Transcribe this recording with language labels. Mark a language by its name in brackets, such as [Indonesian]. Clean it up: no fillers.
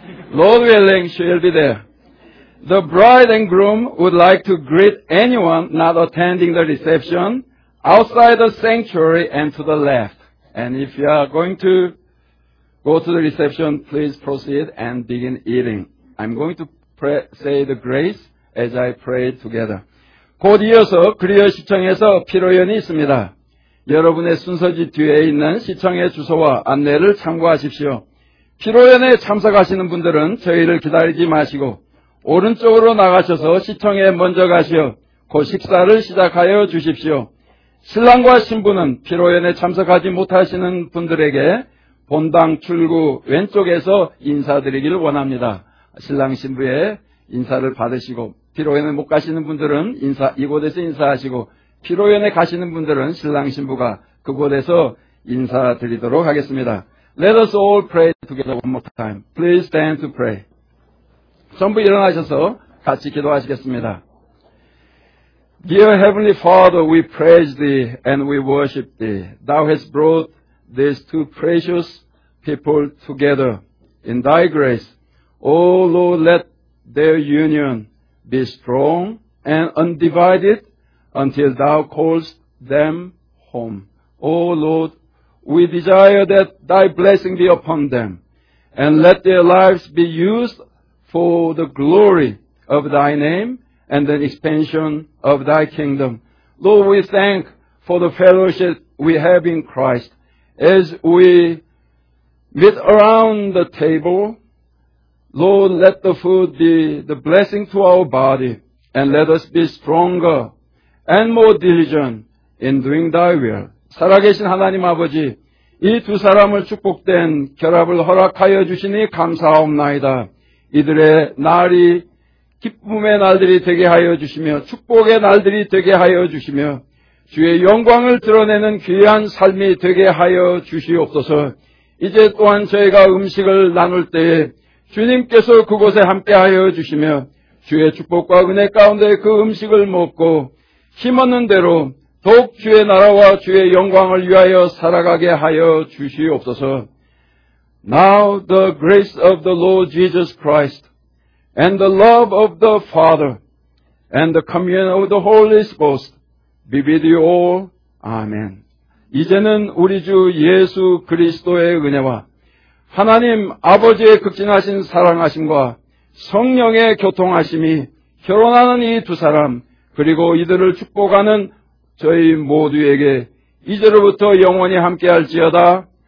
[English] Lord willing, she will be there. The bride and groom would like to greet anyone not attending the reception outside the sanctuary and to the left. And if you are going to go to the reception, please proceed and begin eating. I'm going to say the grace as I pray together. [Korean] 곧 이어서 그리어 시청에서 피로연이 있습니다. 여러분의 순서지 뒤에 있는 시청의 주소와 안내를 참고하십시오. 피로연에 참석하시는 분들은 저희를 기다리지 마시고 오른쪽으로 나가셔서 시청에 먼저 가시어 곧 식사를 시작하여 주십시오. 신랑과 신부는 피로연에 참석하지 못하시는 분들에게 본당 출구 왼쪽에서 인사드리기를 원합니다. 신랑 신부의 인사를 받으시고 피로연에 못 가시는 분들은 이곳에서 인사하시고 피로연에 가시는 분들은 신랑 신부가 그곳에서 인사드리도록 하겠습니다. [English] Let us all pray together one more time. Please stand to pray. [Korean] 전부 일어나셔서 같이 기도하시겠습니다. [English] Dear Heavenly Father, we praise Thee and we worship Thee. Thou hast brought these two precious people together in Thy grace. O Lord, let their union be strong and undivided until Thou callest them home. O Lord, we desire that Thy blessing be upon them, and let their lives be used for the glory of Thy name and the expansion of Thy kingdom. Lord, we thank for the fellowship we have in Christ. As we meet around the table, Lord, let the food be the blessing to our body, and let us be stronger and more diligent in doing Thy will. [Korean] 살아계신 하나님 아버지, 이 두 사람을 축복된 결합을 허락하여 주시니 감사하옵나이다. 이들의 날이 기쁨의 날들이 되게 하여 주시며 축복의 날들이 되게 하여 주시며 주의 영광을 드러내는 귀한 삶이 되게 하여 주시옵소서. 이제 또한 저희가 음식을 나눌 때에 주님께서 그곳에 함께하여 주시며 주의 축복과 은혜 가운데 그 음식을 먹고 힘없는 대로 더욱 주의 나라와 주의 영광을 위하여 살아가게 하여 주시옵소서. [English] Now the grace of the Lord Jesus Christ and the love of the Father and the communion of the Holy Spirit be with you all. [Korean] Amen. 이제는 우리 주 예수 그리스도의 은혜와 하나님 아버지의 극진하신 사랑하심과 성령의 교통하심이 결혼하는 이 두 사람 그리고 이들을 축복하는 저희 모두에게 이제로부터 영원히 함께할지어다.